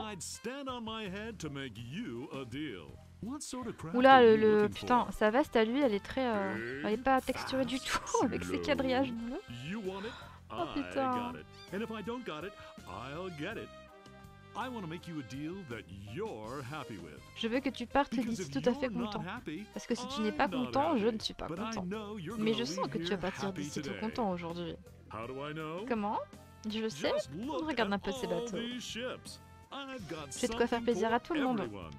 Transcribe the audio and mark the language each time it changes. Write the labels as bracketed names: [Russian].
[English] And I'd stand on my head to make you a deal. What sort of craft [French] Oula, le putain, sa veste à lui, elle est très elle est pas texturée du tout avec ses quadrillages bleus. [English] You want it? [French] Oh putain. [English] I got it. And if I don't got it, I'll get it. I want to make you a deal that you're happy with. [French] Je veux que tu partes d'ici tout à fait content. [English] Happy, [French] parce que si tu n'es pas content, je ne suis pas content. Mais je sens que tu vas partir d'ici tout content aujourd'hui. [English] How do I know? [French] Comment? Je le sais. Regarde un peu ces bateaux. J'ai de quoi faire plaisir à tout le monde.